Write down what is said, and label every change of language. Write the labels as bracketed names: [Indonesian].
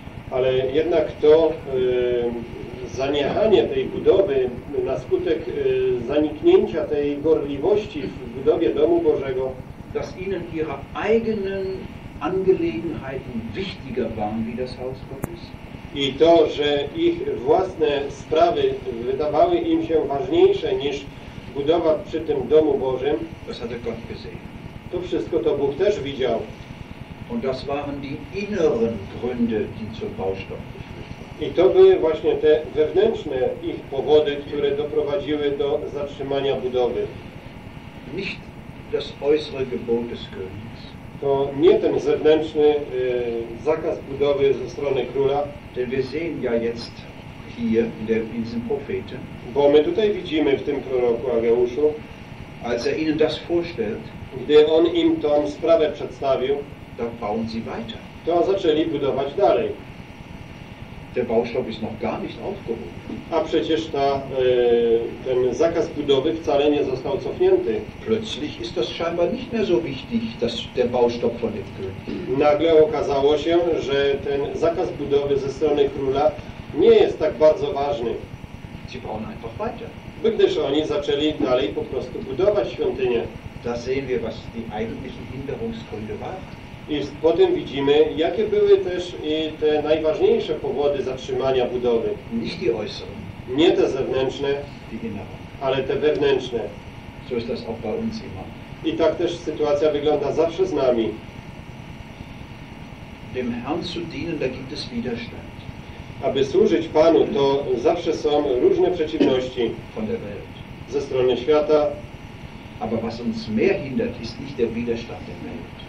[Polish] Ale jednak to zaniechanie tej budowy na skutek zaniknięcia tej gorliwości w budowie domu Bożego, [German] dass ihnen ihre eigenen Angelegenheiten wichtiger waren wie das Haus Gottes. [Polish] I to, że ich własne sprawy wydawały im się ważniejsze niż budowa przy tym Domu Bożym, [German] das hatte Gott gesehen. [Polish] To wszystko to Bóg też widział. [German] Und das waren die inneren Gründe, die zum Baustopp geführt haben. [Polish] I to były właśnie te wewnętrzne ich powody, które doprowadziły do zatrzymania budowy. [German] Nicht das äußere Gebot des Königs. [Polish] To nie ten zewnętrzny zakaz budowy ze strony króla. [German] Denn wir sehen ja jetzt hier in diesem Propheten. [Polish] Bo my tutaj widzimy w tym proroku Ageuszu, [German] als er ihnen das vorstellt, [Polish] gdy on im tą sprawę przedstawił, [German] da bauen sie weiter. [Polish] To zaczęli budować dalej. [German] Der Baustopp ist noch gar nicht aufgehoben. [Polish] A przecież ten zakaz budowy wcale nie został cofnięty. [German] Plötzlich ist das scheinbar nicht mehr so wichtig, dass der Baustopp von dem König. [Polish] Nagle okazało się, że ten zakaz budowy ze strony króla nie jest tak bardzo ważny. [German] Sie bauen einfach weiter. [Polish] Gdyż oni zaczęli dalej po prostu budować świątynię. [German] Da sehen wir, was die eigentlichen Hinderungsgründe waren. [Polish] I potem widzimy, jakie były też te najważniejsze powody zatrzymania budowy. [German] Nicht die äußeren. [Polish] Nie te zewnętrzne, [German] die inneren. [Polish] Ale te wewnętrzne. [German] So ist das auch bei uns immer. [Polish] I tak też sytuacja wygląda zawsze z nami. [German] Dem Herrn zu dienen, da gibt es Widerstand. [Polish] Aby służyć Panu, to zawsze są różne przeciwności [German] von der Welt. [Polish] Ze strony świata. [German] Aber was uns mehr hindert, ist nicht der Widerstand der Welt.